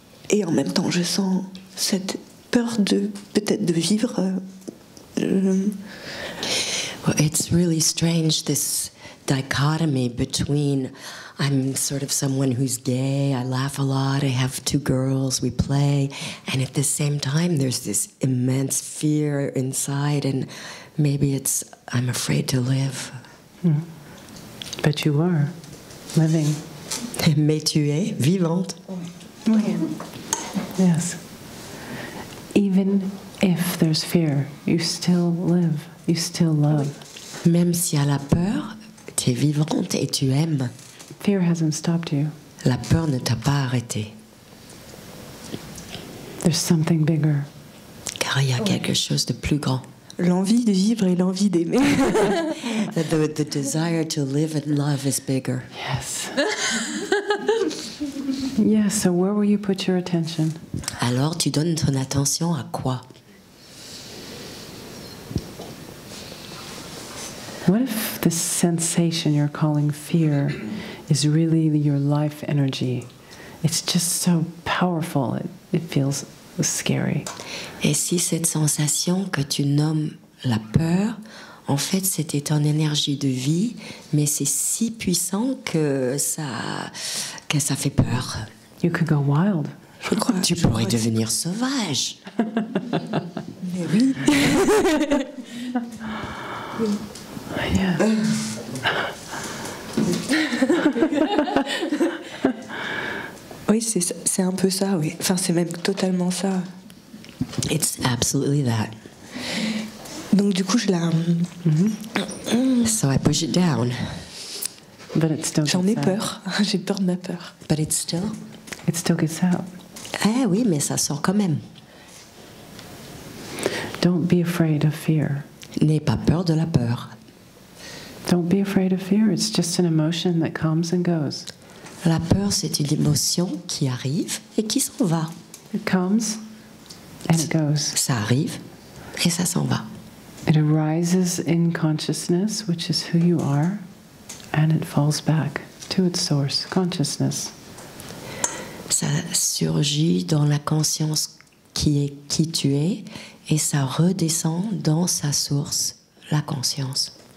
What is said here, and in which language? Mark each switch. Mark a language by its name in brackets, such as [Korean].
[French] Et en même temps, je sens cette peur de peut-être de vivre. [English] Well, it's really strange, this dichotomy between I'm sort of someone who's gay, I laugh a lot, I have two girls, we play, and at the same time there's this immense fear inside, and maybe it's I'm afraid to live. Mm. But you are living. [French] Mais tu es vivante. [English] Oui. Yes. Even if there's fear, you still live. You still love. [French] Même si elle a peur, tu es vivante et tu aimes. [English] Fear hasn't stopped you. [French] La peur ne t'a pas arrêtée. [English] There's something bigger. [French] Car il y a quelque chose de plus grand. L'envie de vivre et l'envie d'aimer. [English] the desire to live and love is bigger. Yes. Yes, so where will you put your attention? [French] Alors, tu donnes ton attention à quoi? [English] What if the sensation you're calling fear is really your life energy? It's just so powerful, it feels scary. [French] Et si cette sensation que tu nommes la peur, en fait, c'était ton énergie de vie, mais c'est si puissant que ça fait peur. [English] You could go wild. [French] Je crois que tu pourrais devenir sauvage. Mais oui. [English] Yeah. [French] Oui, c'est un peu ça, oui. Enfin, c'est même totalement ça. [English] It's absolutely that. [French] Donc du coup, je la... [English] Mm-hmm. So I push it down. But it still [French] J'en ai peur. J'ai peur de ma peur. [English] But it's still... It still gets out. [French] Eh oui, mais ça sort quand même. [English] Don't be afraid of fear. [French] N'aie pas peur de la peur. [English] Don't be afraid of fear. It's just an emotion that comes and goes. [French] La peur, c'est une émotion qui arrive et qui s'en va. [English] It comes and it goes. [French] Ça arrive et ça s'en va. [English] It arises in consciousness, which is who you are, and it falls back to its source, consciousness. [French] Ça surgit dans la conscience qui est qui tu es et ça redescend dans sa source, la conscience.